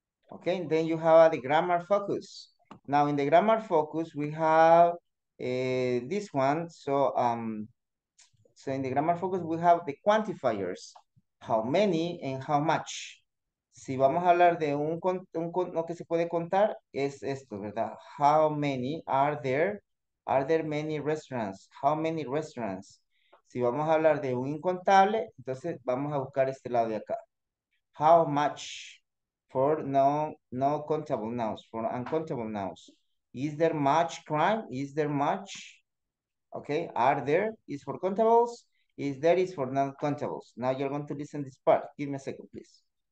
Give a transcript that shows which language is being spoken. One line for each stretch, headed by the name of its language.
English: Okay, then you have the grammar focus. Now in the grammar focus, we have this one. So in the grammar focus, we have the quantifiers, how many and how much.
Spanish: Si vamos a hablar de lo que se puede contar, es esto, ¿verdad?
English: How many are there? Are there many restaurants? How many restaurants?
Spanish: Si vamos a hablar de un incontable, entonces vamos a buscar este lado de acá.
English: How much for no countable nouns, for uncountable nouns? Is there much crime? Is there much? Okay, are there is for countables. Is there is for non-countables. Now you're going to listen this part. Give me a second, please.